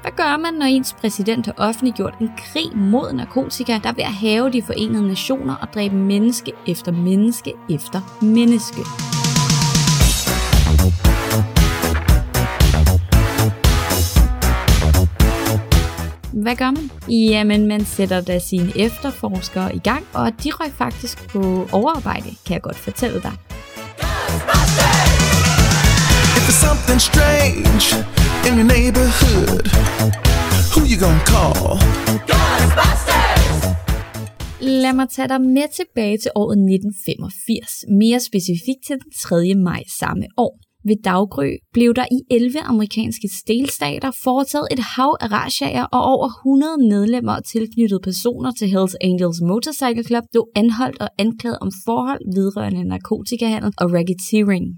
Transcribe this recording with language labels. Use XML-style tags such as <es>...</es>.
<da>Hvad gør man, når ens præsident har offentliggjort en krig mod narkotika, der vil have de forenede nationer og dræbe menneske efter menneske efter menneske? Hvad gør man? Jamen, man sætter da sine efterforskere i gang, og de røg faktisk på overarbejde, kan jeg godt fortælle dig.</da> <en>If there's something strange in your neighborhood, who you gonna call?</en> <da>Lad mig tage dig med tilbage til året 1985, mere specifikt til den 3. maj samme år. Ved daggry blev der i 11 amerikanske delstater foretaget et hav af razziaer, og over 100 medlemmer og tilknyttede personer til Hells Angels Motorcycle Club blev anholdt og anklaget om forhold vedrørende narkotikahandel og racketeering.</da>